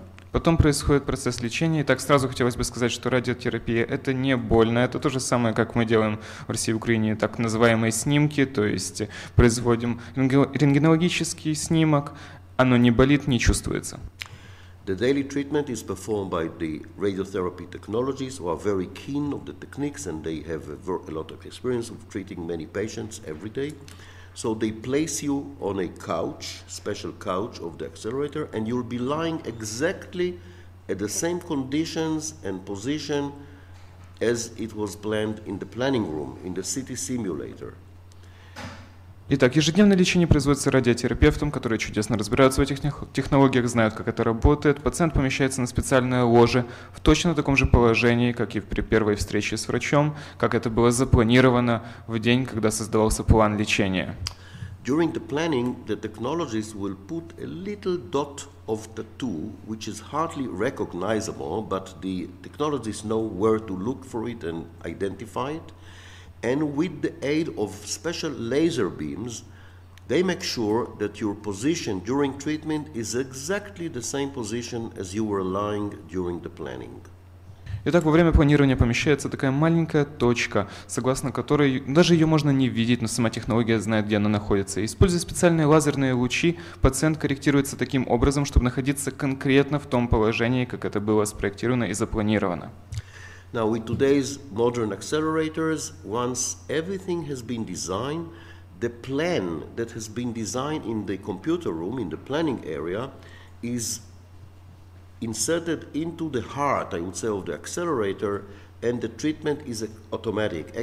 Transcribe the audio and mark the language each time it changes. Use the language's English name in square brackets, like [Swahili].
[Russian] Потом происходит процесс лечения. Итак, сразу хотелось бы сказать, что радиотерапия – это не больно. Это то же самое, как мы делаем в России и Украине так называемые снимки, то есть производим рентгенологический снимок. Оно не болит, не чувствуется. [English] The daily treatment is performed by the radiotherapy technologists who are very keen of the techniques and they have a lot of experience of treating many patients every day. So they place you on a couch, special couch of the accelerator, and you'll be lying exactly at the same conditions and position as it was planned in the planning room, in the city simulator. [Russian] Итак, ежедневное лечение производится радиотерапевтом, который чудесно разбирается в этих технологиях, знает, как это работает. Пациент помещается на специальное ложе в точно таком же положении, как и при первой встрече с врачом, как это было запланировано в день, когда создавался план лечения. [English] During the planning, the technologist will put a little dot of tattoo, which is hardly recognizable, but the technologists know where to look for it and identify it. And with the aid of special laser beams, they make sure that your position during treatment is exactly the same position as you were lying during the planning. [Russian] Итак, во время планирования помещается такая маленькая точка, согласно которой даже ее можно не видеть, но сама технология знает, где она находится. Используя специальные лазерные лучи, пациент корректируется таким образом, чтобы находиться конкретно в том положении, как это было спроектировано и запланировано. [English] Now with today's modern accelerators, once everything has been designed, the plan that has been designed in the computer room, in the planning area, is inserted into the heart, I would say, of the accelerator, and the treatment is automatic.